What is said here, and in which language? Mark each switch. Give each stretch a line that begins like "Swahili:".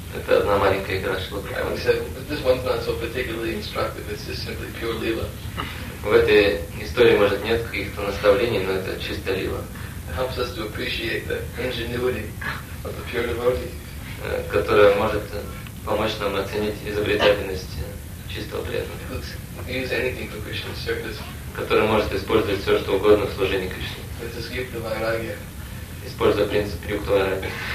Russian: Это одна маленькая игра Шрилы Прабхупады.
English: This one's not so particularly instructive. It's just simply pure lila.
Russian: В этой истории может нет каких-то наставлений, но это чисто лила.
English: It helps us to appreciate the ingenuity of the pure devotee.
Russian: Которая может помочь нам оценить изобретательность чистого преданного.
English: Use anything for Krishna's service.
Russian: Который может использовать все что угодно в служении Кришне.
English: Let's just give the vairagya.
Russian: Используя принцип юкта вайрагья.